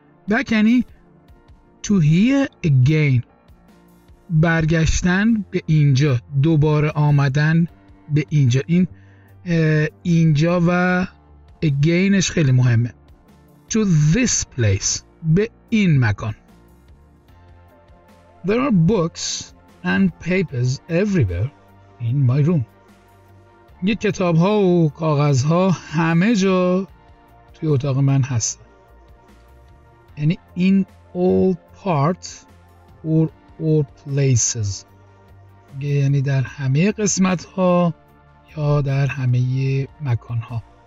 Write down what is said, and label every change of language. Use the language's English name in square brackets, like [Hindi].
[English] Back [Persian] یعنی [English] to here again. [Persian] برگشتن به اینجا. دوباره آمدن به اینجا. این اینجا و againش خیلی مهمه. [English] To this place. [Persian] به این مکان. [English] There are books and papers everywhere in my room. [Persian] یه کتاب ها و کاغذ ها همه جا توی اتاق من هست. یعنی [English] in all parts or all places. [Persian] یعنی در همه قسمت ها یا در همه مکان ها.